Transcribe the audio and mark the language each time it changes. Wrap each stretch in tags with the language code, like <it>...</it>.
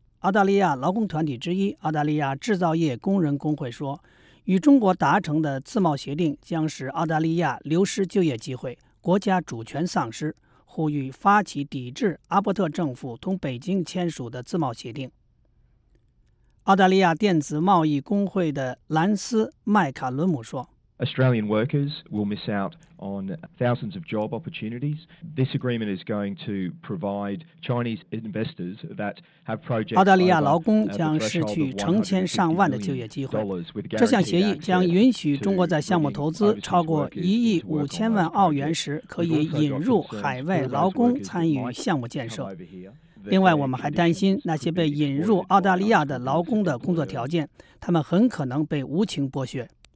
<zh>澳大利亚劳工团体之一澳大利亚制造业工人工会说，与中国达成的自贸协定将使澳大利亚流失就业机会，国家主权丧失，呼吁发起抵制阿伯特政府同北京签署的自贸协定。澳大利亚电子贸易工会的兰斯·麦卡伦姆说，</zh> <en>Australian workers will miss out on thousands of job opportunities. This agreement is going to provide Chinese investors that have projects.</en> <zh>澳大利亚劳工将失去成千上万的就业机会。这项协议将允许中国在项目投资超过1亿5000万澳元时，可以引入海外劳工参与项目建设。另外，我们还担心那些被引入澳大利亚的劳工的工作条件，他们很可能被无情剥削。</zh>